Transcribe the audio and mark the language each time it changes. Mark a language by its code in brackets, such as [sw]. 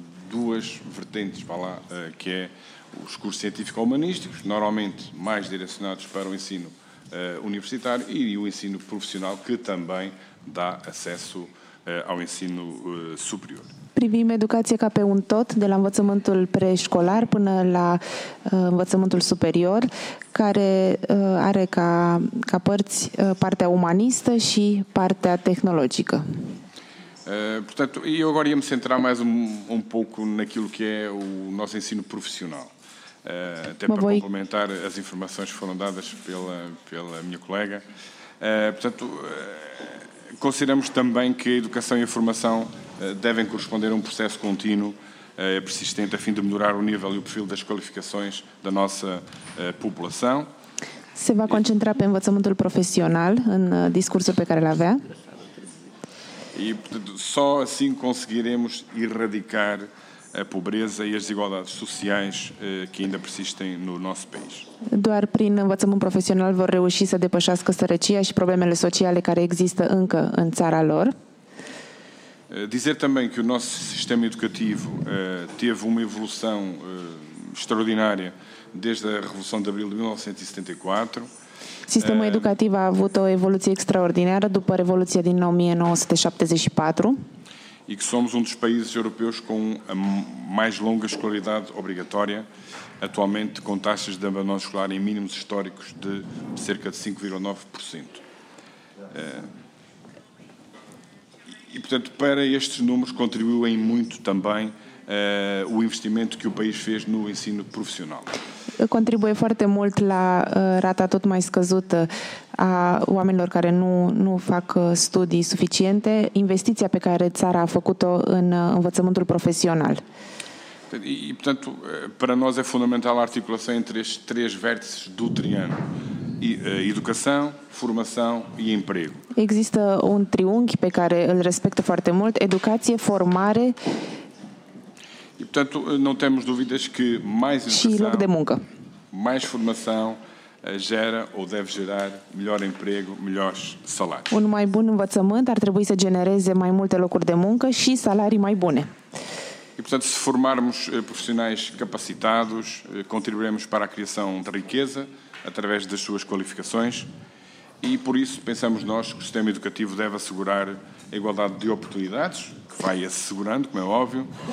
[pt] duas vertentes, vá lá, que é os cursos científico-humanísticos, normalmente mais direcionados para o ensino universitário, e o ensino profissional, que também dá acesso ao ensino superior. [ro] Privim educația ca pe un tot, de la învățământul preșcolar până la învățământul superior, care are ca părți partea umanistă și partea tehnologică. [pt] Portanto, eu agora ia me centrar mais um pouco naquilo que é o nosso ensino profissional. Até para complementar as informações que foram dadas pela minha colega. Portanto, consideramos também que a educação e a formação devem corresponder a um processo contínuo, persistente, a fim de melhorar o nível e o perfil das qualificações da nossa população. [ro] Se vai concentrar para o envățământul profissional, no discurso que ele avea. [pt] E, portanto, só assim conseguiremos erradicar a pobreza e as desigualdades sociais que ainda persistem no nosso país. [ro] Doar prin învățământ profesional vor reuși să depășească sărăcia și problemele sociale care există încă în țara lor. [pt] Dizer também que o nosso sistema educativo teve uma evolução extraordinária desde a Revolução de Abril de 1974. [ro] Sistemul educativ a avut o evoluție extraordinară după Revoluția din 1974. [pt] E que somos dos países europeus com a mais longa escolaridade obrigatória, atualmente com taxas de abandono escolar em mínimos históricos de cerca de 5,9%. E, portanto, para estes números contribuem muito também o investimento que o país fez no ensino profissional. [ro] Contribuie foarte mult la rata tot mai scăzută a oamenilor care nu fac studii suficiente, investiția pe care țara a făcut-o în învățământul profesional. [pt] E, portanto, para nós é fundamental a articulação entre estes três vértices do triângulo: educação, formação e emprego. [ro] Există un triunghi pe care îl respectă foarte mult: educație, formare. [pt] E, portanto, não temos dúvidas que mais educação, mais formação gera ou deve gerar melhor emprego, melhores salários. [ro] Un mai bun învățământ ar trebui să genereze mai multe locuri de muncă și salarii mai bune. [pt] E, portanto, se formarmos profissionais capacitados, contribuiremos para a criação de riqueza através das suas qualificações e, por isso, pensamos nós que o sistema educativo deve assegurar a igualdade de oportunidades, que vai assegurando, como é óbvio,